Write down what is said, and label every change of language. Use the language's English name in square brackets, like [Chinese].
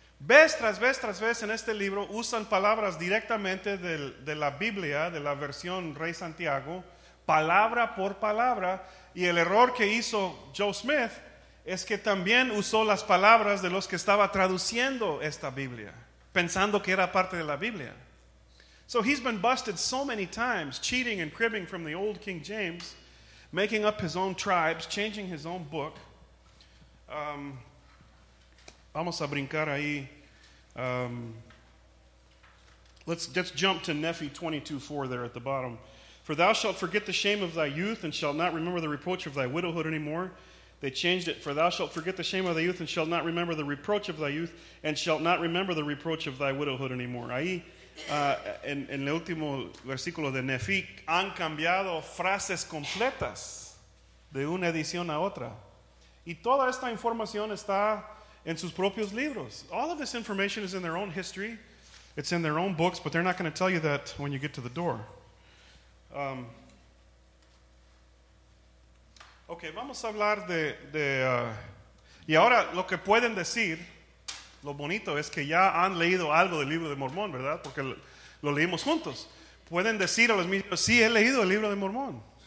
[Spanish] Vez tras vez en este libro usan palabras directamente de la Biblia, de la versión Rey Santiago, palabra por palabra. Y el error que hizo Joe Smith es que también usó las palabras de los que estaba traduciendo esta Biblia, pensando que era parte de la Biblia. [English] So he's been busted so many times, cheating and cribbing from the old King James, making up his own tribes, changing his own book. [Spanish] Vamos a brincar ahí. [English] Let's jump to Nephi 22:4 there at the bottom. "For thou shalt forget the shame of thy youth, and shalt not remember the reproach of thy widowhood anymore. They changed it. For thou shalt forget the shame of thy youth, and shalt not remember the reproach of thy youth, and shalt not remember the reproach of thy widowhood anymore. [Spanish] Ahí, en el último versículo de Nefi, han cambiado frases completas de una edición a otra. Y toda esta información está en sus propios libros. [English] All of this information is in their own history. It's in their own books, but they're not going to tell you that when you get to the door. [Spanish] Okay, vamos a hablar de y ahora lo que pueden decir, lo bonito es que ya han leído algo del libro de Mormón, ¿verdad? Porque lo leímos juntos. Pueden decir a los mismos, sí, he leído el libro de Mormón.